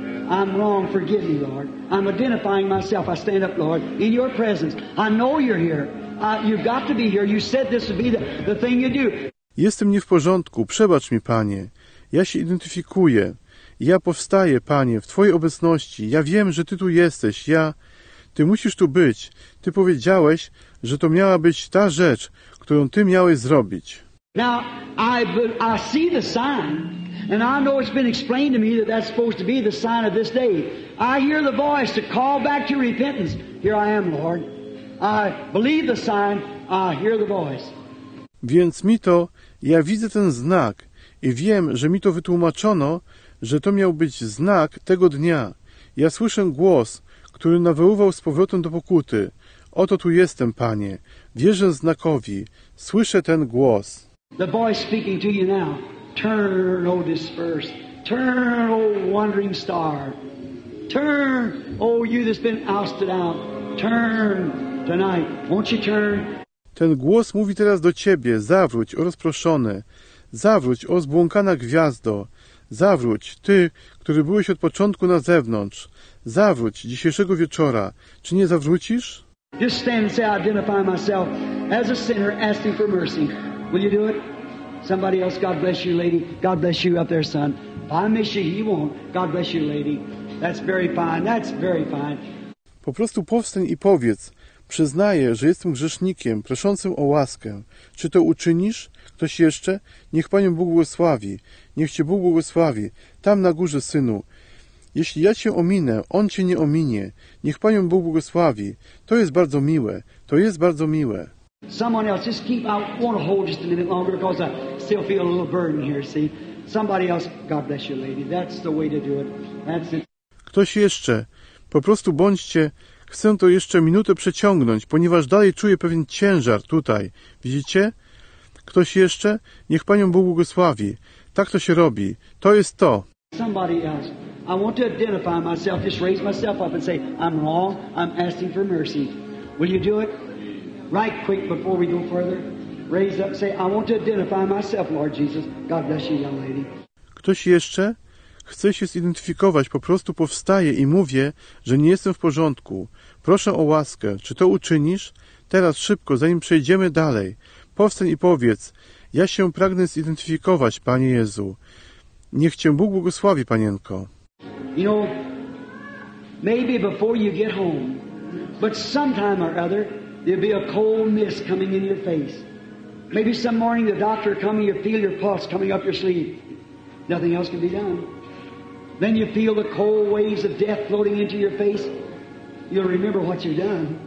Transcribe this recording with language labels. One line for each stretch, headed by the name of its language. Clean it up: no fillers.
English: I'm wrong, forgive me, Lord. I'm identifying myself. I stand up, Lord, in Your presence. I know You're here. You've got to be here. You said this would be the thing You do.
Polish: Jestem nie w porządku. Przebacz mi, Panie. Ja się identyfikuję. Ja powstaję, Panie, w Twojej obecności. Ja wiem, że Ty tu jesteś. Ty musisz tu być. Ty powiedziałeś, że to miała być ta rzecz, którą Ty miałeś zrobić.
English: Now, I see the sign, and I know it's been explained to me that that's supposed to be the sign of this day. I hear the voice to call back to repentance. Here I am, Lord. I believe the sign. I hear the voice.
Polish: Więc mi to, ja widzę ten znak i wiem, że mi to wytłumaczono, że to miał być znak tego dnia. Ja słyszę głos, który nawoływał z powrotem do pokuty. Oto tu jestem, Panie. Wierzę znakowi. Słyszę ten głos.
English: The voice speaking to you now. Turn, O dispersed. Turn, O wandering star. Turn, O you that's been ousted out. Turn tonight. Won't you turn?
Polish: Ten głos mówi teraz do Ciebie. Zawróć, o rozproszony. Zawróć, o zbłąkana gwiazdo. Zawróć, Ty, który byłeś od początku na zewnątrz. Zawróć dzisiejszego wieczora. Czy nie zawrócisz?
English: Just stand and say, I identify myself as a sinner asking for mercy. Will you do it? Somebody else, God bless you, lady. God bless you up there, son. If I miss you, he won't. God bless you, lady. That's very fine. That's very fine.
Polish: Po prostu powstań i powiedz, przyznaję, że jestem grzesznikiem, proszącym o łaskę. Czy to uczynisz? Ktoś jeszcze? Niech Panią Bóg błogosławi. Niech Cię Bóg błogosławi. Tam na górze, synu. Jeśli ja Cię ominę, On Cię nie ominie. Niech Panią Bóg błogosławi. To jest bardzo miłe. To jest bardzo miłe.
English: Someone else, just keep, I want to hold just a minute longer because I still feel a little burden here, see. Somebody else, God bless you, lady. That's the way to do it. That's it.
Polish: Ktoś jeszcze? Po prostu bądźcie. Chcę to jeszcze minutę przeciągnąć, ponieważ dalej czuję pewien ciężar tutaj. Widzicie? Ktoś jeszcze? Niech Panią Bóg błogosławi. Tak to się robi. To jest to.
English: Somebody else. I want to identify myself, just raise myself up and say, I'm wrong, I'm asking for mercy. Will you do it? Right quick before we go further. Raise up, say, I want to identify myself, Lord Jesus. God bless you, young lady.
Polish: Ktoś jeszcze? Chcę się zidentyfikować, po prostu powstaję i mówię, że nie jestem w porządku. Proszę o łaskę, czy to uczynisz? Teraz szybko, zanim przejdziemy dalej. Powstań i powiedz, ja się pragnę zidentyfikować, Panie Jezu. Niech Cię Bóg błogosławi, Panienko.
English: You know, maybe before you get home, but sometime or other, there'll be a cold mist coming in your face. Maybe some morning the doctor coming, you feel your pulse coming up your sleeve. Nothing else can be done. Then you feel the cold waves of death floating into your face. You'll remember what you've done.